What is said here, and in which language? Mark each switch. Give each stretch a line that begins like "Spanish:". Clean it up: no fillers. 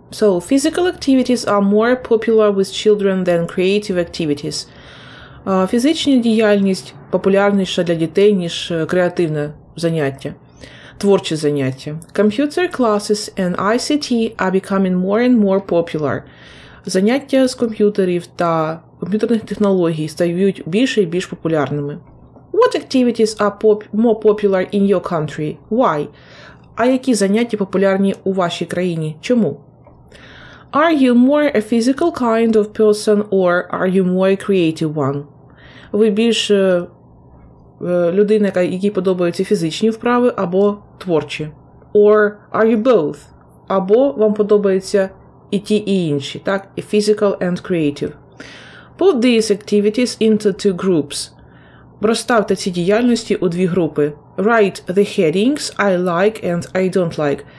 English: So, physical activities are more popular with children than creative activities.
Ukrainian: Фізична діяльність популярніша для дітей, ніж креативне заняття, творче заняття.
English: Computer classes and ICT are becoming more and more popular.
Ukrainian: Заняття з комп'ютерів та комп'ютерних технологій стають більше і більш популярними.
English: What activities are more popular in your country? Why?
Ukrainian: А які заняття популярні у вашій країні? Чому?
English: Are you more a physical kind of person or are you more a creative one?
Ukrainian: Ви більш людина, якій подобаються фізичні вправи або творчі?
English: Or are you both?
Ukrainian: Або вам подобаються і ті, і інші, так?
English: A physical and creative. Put these activities into two groups.
Ukrainian: Розставте ці діяльності у дві групи.
English: Write the headings I like and I don't like.